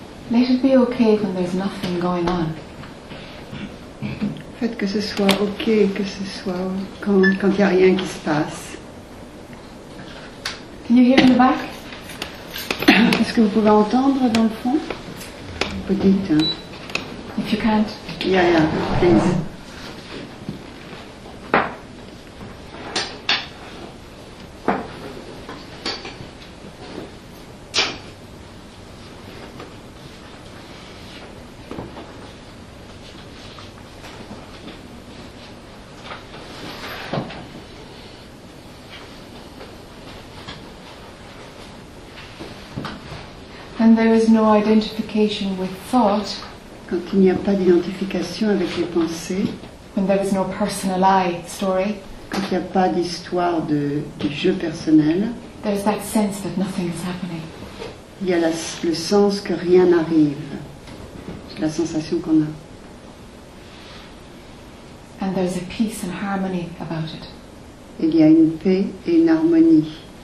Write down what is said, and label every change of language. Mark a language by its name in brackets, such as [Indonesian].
[English] Let it be okay when there's nothing going on. [French] Faites que ce soit ok, que ce soit quand il y a rien qui se passe. [English] Can you hear in the back? [French] Est-ce que vous pouvez entendre dans le fond? Vous dites. Hein? [English] If you can't. Yeah, please. And there is no identification with thought. [French] Quand il n'y a pas d'identification avec les pensées. [English] When there is no personal I story. [French] Quand il n'y a pas d'histoire de jeu personnel. [English] There is that sense that nothing is happening. [French] Il y a le sens que rien n'arrive. La sensation qu'on a. [English] And there is a peace and harmony about it. [French] Il y a une paix et une harmonie.